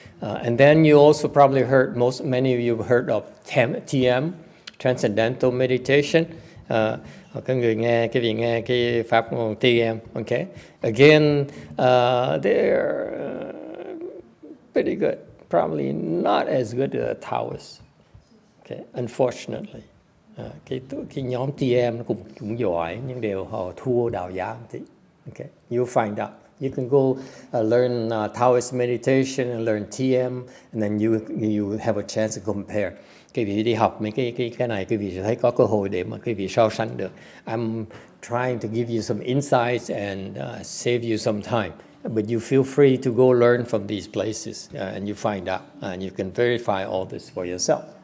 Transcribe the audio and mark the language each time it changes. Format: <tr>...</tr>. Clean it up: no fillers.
<en>And then you also probably heard, many of you have heard of TM, Transcendental Meditation.</en> <vi>Các người nghe cái việc nghe cái pháp môn TM, okay?</vi> <en>Again, they're pretty good. Probably not as good as Taoist. Okay, unfortunately,</en> <vi>cái nhóm TM nó cũng giỏi nhưng đều họ thua đạo giáo một tí.</vi> <en>Okay, you'll find out. You can go learn Taoist meditation and learn TM, and then you have a chance to compare.</en> <vi>Cái vị đi học mấy cái này, cái vị sẽ thấy có cơ hội để mà cái vị so sánh được.</vi> <en>I'm trying to give you some insights and save you some time. But you feel free to go learn from these places, and you find out, and you can verify all this for yourself.</en>